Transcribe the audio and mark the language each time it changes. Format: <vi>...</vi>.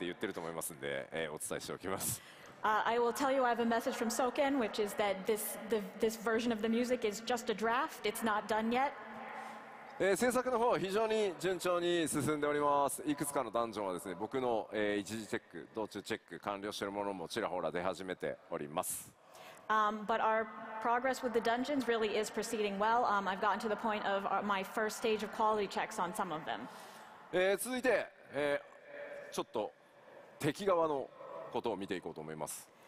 <ja>はい、ありがとうございます。まあ、ソケンの方からも言われてますが、まだ曲はモックアップなので、これが最終クオリティだと思わないでねって言ってると思いますんで、お伝えしておきます。</ja> <en>I will tell you I have a message from Soken, which is that this version of the music is just a draft. It's not done yet.</en> <ja>制作の方は非常に順調に進んでおります。いくつかのダンジョンはですね、僕の一時チェック、道中チェック、完了しているものもちらほら出始めております。</ja> <en>But our progress with the dungeons really is proceeding well. I've gotten to the point of my first stage of quality checks on some of them.</en> <ja>続いて、ちょっと敵側のことを見ていこうと思います。</ja>